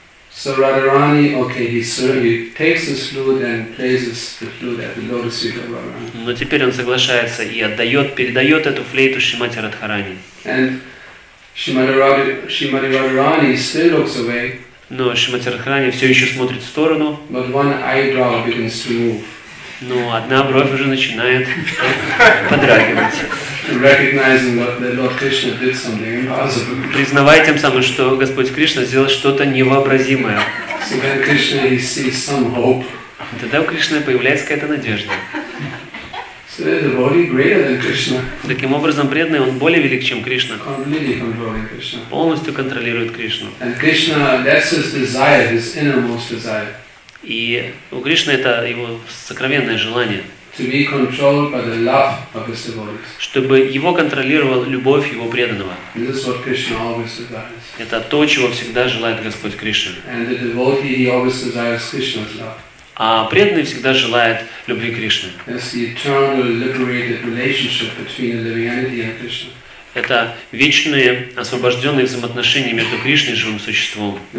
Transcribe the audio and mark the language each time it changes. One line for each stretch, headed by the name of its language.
English: So Radharani, okay, he takes his flute and places the flute at the lotus feet of Radharani.
Russian: Но теперь он соглашается и отдает, передает эту флейту Шримати Радхарани.
English: And Шримати Радхарани still looks away.
Russian: Но Шримати Радхарани все еще смотрит в сторону.
English: But one eyebrow begins to move.
Russian: Но одна бровь уже начинает подрагивать.
English: Recognizing that the Lord Krishna did something impossible.
Russian: Признавая тем самым, что Господь Кришна сделал что-то невообразимое.
English: So then Krishna, he sees some hope.
Russian: Тогда у Кришны появляется какая-то надежда.
English: So the devotee greater than Krishna.
Russian: Таким образом, преданный, он более велик, чем Кришна.
English: Completely controlling Krishna.
Russian: Полностью контролирует Кришну.
English: And Krishna, that's his desire, his innermost desire.
Russian: И у Кришны это его сокровенное желание,
English: to be controlled by the love of his devotees.
Russian: Чтобы его контролировала любовь его преданного.
English: This is what Krishna always desires.
Russian: Это то, чего всегда желает Господь Кришна.
English: And the devotee, he always desires Krishna's love.
Russian: А преданный всегда желает любви Кришны.
English: It's the eternal liberated relationship between the living entity and Krishna.
Russian: Это вечные освобожденные взаимоотношения между Кришной и живым существом.